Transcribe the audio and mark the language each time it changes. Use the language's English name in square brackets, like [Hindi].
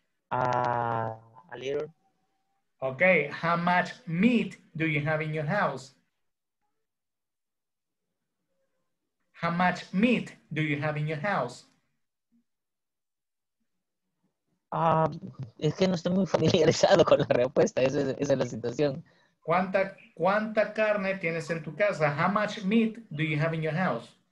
[English] A liter. Okay, how much meat do you have in your house? How much meat do you have in your house? [Spanish] Es que no estoy muy familiarizado con la respuesta. Esa es la situación. ¿Cuánta carne tienes en tu casa? [English] How much meat do you have in your house?